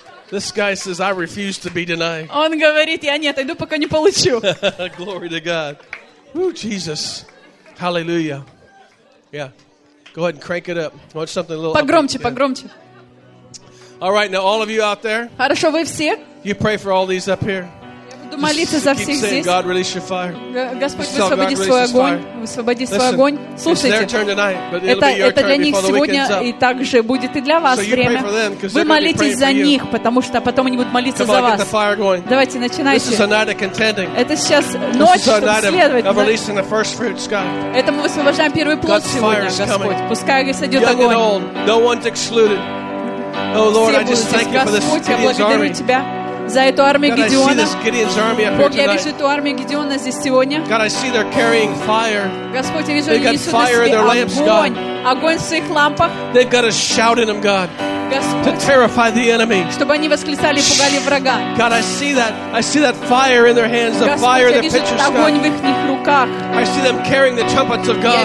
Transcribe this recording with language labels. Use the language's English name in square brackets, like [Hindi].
[English] This guy says, "I refuse to be denied." [Russian] Он говорит, я нет, иду пока не получу. [English] Glory to God. Woo, Jesus. Hallelujah. Yeah. Go ahead and crank it up. Want something a little? [Russian] Погромче, погромче. [English] All right, now all of you out there. [Russian] Хорошо, вы все. [English] You pray for all these up here. [Russian] Я буду молиться за всех здесь. [English] Keep saying, "God, release your fire." [Russian] Господь, высвободи свой огонь. Высвободи свой огонь. Слушайте. [English] It's their turn tonight, but it'll be your turn [Russian] для них сегодня, и также будет и для вас время. Вы молитесь за них, потому что потом они будут молиться за вас. Давайте начинайте. Это сейчас ночь, чтобы следовать. Это мы высвобождаем первый плод сегодня, Господь. Пускай сойдет огонь. Все будут здесь, Господь, я благодарю Тебя. За эту армию Гедеона. Бог, я вижу эту армию Гедеона здесь сегодня. [English] God, I see they're carrying fire. [Russian] Господь, я вижу, они несут на себе огонь. Огонь в своих лампах. [English] They've got a shout in them, God. [Russian] Господь, [English] to terrify the enemy. [Russian] Чтобы они восклицали и пугали врага. [English] God, I see that fire in their hands, the [Russian] Господь, [English] fire in their pitchers, God. [Russian] Огонь в их руках. [English] I see them carrying the trumpets of God.